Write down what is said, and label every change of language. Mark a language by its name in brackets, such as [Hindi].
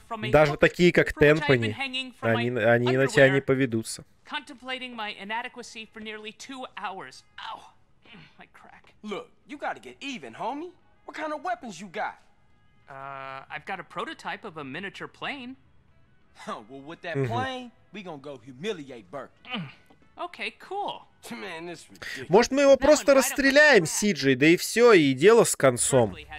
[Russian] Даже такие, как Темпани, они на тебя не поведутся. [English] Contemplating my inadequacy for nearly 2 hours. Ow, my crack. Look, you gotta get even, homie. What kind of weapons you got? I've got a prototype of a miniature plane. Huh, well, with that plane, we gonna go humiliate Burke. Okay, cool. Man, this ridiculous. [Russian] Может, мы его просто расстреляем, Сиджей, да и все, и дело с концом.